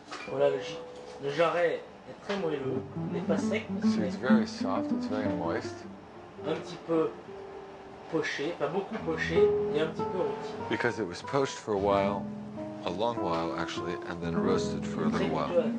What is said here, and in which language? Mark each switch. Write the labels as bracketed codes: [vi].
[fr] Voilà, le jarret est très moelleux, n'est pas sec. [en] It's very soft, it's very moist. [fr] Un petit peu poché, pas beaucoup poché, et un petit peu rôti. [en] Because it was poached for a while, a long while actually, and then roasted for a little while.